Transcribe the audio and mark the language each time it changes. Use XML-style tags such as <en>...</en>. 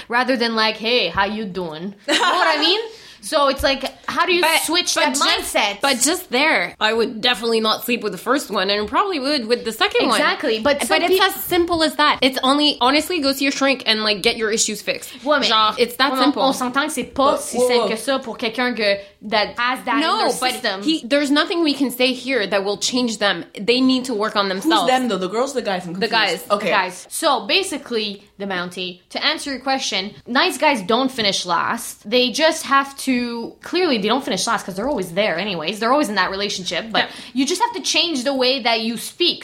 <en>Rather than like, hey, how you doing? You know what I mean? So it's like, how do you switch that mindset? But just there, I would definitely not sleep with the first one and probably would with the second one. Exactly. But it's as simple as that. It's only, honestly, go see your shrink and like get your issues fixed.</en> <fr>Ouais, mais,</fr> <en>genre, it's that simple.</en> <fr>On s'entend que c'est pas si simple que ça pour quelqu'un que,</fr> <en>that has that system. No, but there's nothing we can say here that will change them. They need to work on themselves. Who's them though? The girls or the guys? The guys. Okay. The guys. So basically, the Mountie, to answer your question, nice guys don't finish last. They just have to, clearly they don't finish last because they're always there anyways. They're always in that relationship. But you just have to change the way that you speak.</en>